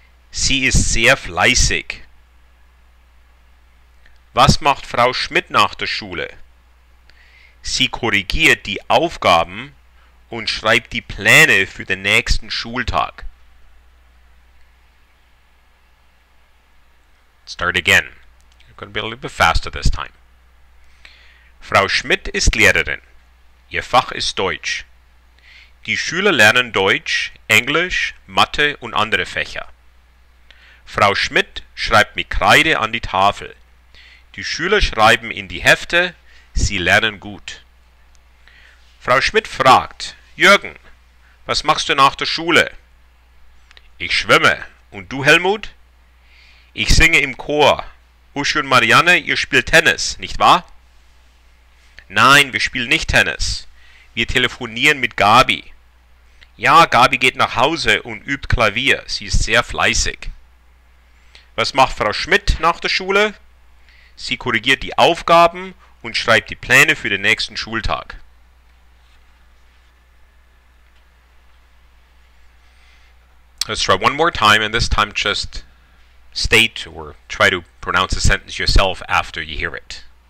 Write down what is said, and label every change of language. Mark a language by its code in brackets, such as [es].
[de] Sie ist sehr fleißig. Was macht Frau Schmidt nach der Schule? Sie korrigiert die Aufgaben und schreibt die Pläne für den nächsten Schultag. [en] Start again. You're going to be a little bit faster this time. [de] Frau Schmidt ist Lehrerin. Ihr Fach ist Deutsch. Die Schüler lernen Deutsch, Englisch, Mathe und andere Fächer. Frau Schmidt schreibt mit Kreide an die Tafel. Die Schüler schreiben in die Hefte. Sie lernen gut. Frau Schmidt fragt, Jürgen, was machst du nach der Schule? Ich schwimme. Und du, Helmut? Ich singe im Chor. Uschi und Marianne, ihr spielt Tennis, nicht wahr? Nein, wir spielen nicht Tennis. Wir telefonieren mit Gabi. Ja, Gabi geht nach Hause und übt Klavier. Sie ist sehr fleißig. Was macht Frau Schmidt nach der Schule? Sie korrigiert die Aufgaben und schreibt die Pläne für den nächsten Schultag. [en] Let's try one more time, and this time just state or try to pronounce the sentence yourself after you hear it.